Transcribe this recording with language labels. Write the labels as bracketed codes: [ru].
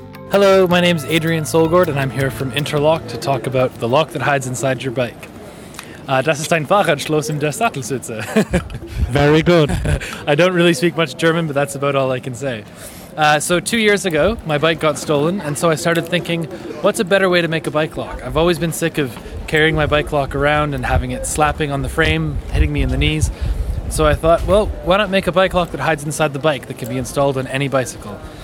[en] Hello, my name is Adrian Solgord and I'm here from Interlock to talk about the lock that hides inside your bike. [de] Das ist ein Fahrradschloss in der Sattelsitze. [en] Very good. I don't really speak much German, but that's about all I can say. So 2 years ago, my bike got stolen, and so I started thinking, what's a better way to make a bike lock? I've always been sick of carrying my bike lock around and having it slapping on the frame, hitting me in the knees. So I thought, well, why not make a bike lock that hides inside the bike that can be installed on any bicycle?